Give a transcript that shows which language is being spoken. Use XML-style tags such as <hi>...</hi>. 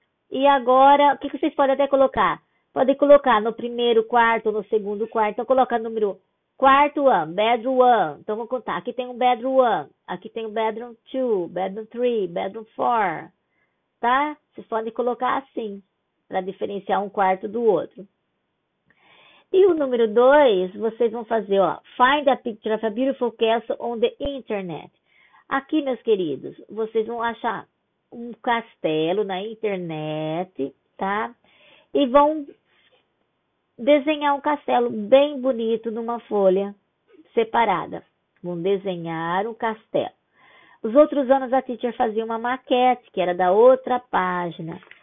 <pt>E agora, o que vocês podem até colocar? Pode colocar no primeiro quarto ou no segundo quarto. Então, coloca o número quarto 1, bedroom 1. Então, vou contar. Aqui tem um bedroom 1. Aqui tem um bedroom 2, bedroom 3, bedroom 4. Tá? Vocês podem colocar assim, para diferenciar um quarto do outro. E o número 2, vocês vão fazer, ó.</pt> <en>Find a picture of a beautiful castle on the internet.</en> <pt>Aqui, meus queridos, vocês vão achar um castelo na internet, tá? E vão desenhar um castelo bem bonito numa folha separada. Vão desenhar um castelo. Os outros anos a teacher fazia uma maquete, que era da outra página.</pt>